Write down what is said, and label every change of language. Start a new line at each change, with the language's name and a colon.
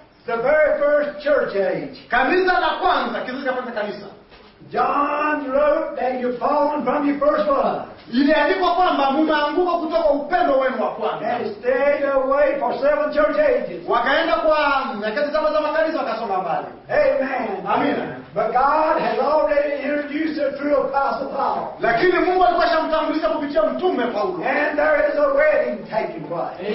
English: The very first church age.
Swahili: Kanisa la kwanza, kizazi cha kwanza kanisa.
English: John wrote that you've fallen from your first love.
Swahili: Iliandikwa kwamba mumeanguka kutoka upendo wenu wa kwanza.
English: And stayed away for 7 church ages.
Swahili: Wakaenda kwa nyakati saba za makanisa wakasonga mbali. Amen. Amen.
English: But God has already introduced a true apostle Paul.
Swahili: Lakini Mungu alikwishamtambulisha kupitia mtume Paulo.
English: And there is a wedding taking place.